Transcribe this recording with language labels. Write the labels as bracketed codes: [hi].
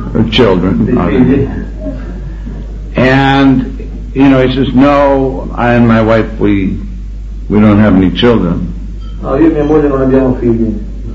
[en] Children. [it] Figli. [en] And you know, he says, no, I and my wife, we don't have any children. [it] No, io e mia moglie non abbiamo figli.